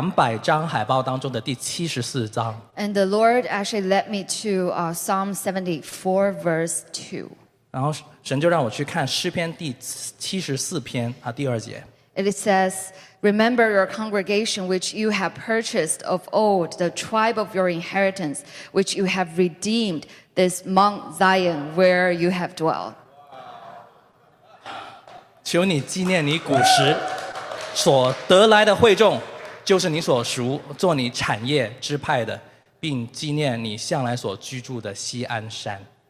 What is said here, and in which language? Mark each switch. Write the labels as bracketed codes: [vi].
[zh] 我之前没留意到，我昨晚在看的时候才发现，这张海报上面写着这是200张海报当中的第74张。 [en] And the Lord actually led me to Psalm 74, verse 2. [zh] 然后神就让我去看诗篇第74篇，第二节。 [en] It says, remember your congregation which you have purchased of old, the tribe of your inheritance which you have redeemed, this Mount Zion where you have dwelt. [zh] 求你纪念你古时所得来的会众，就是你所属、做你产业支派的，并纪念你向来所居住的锡安山。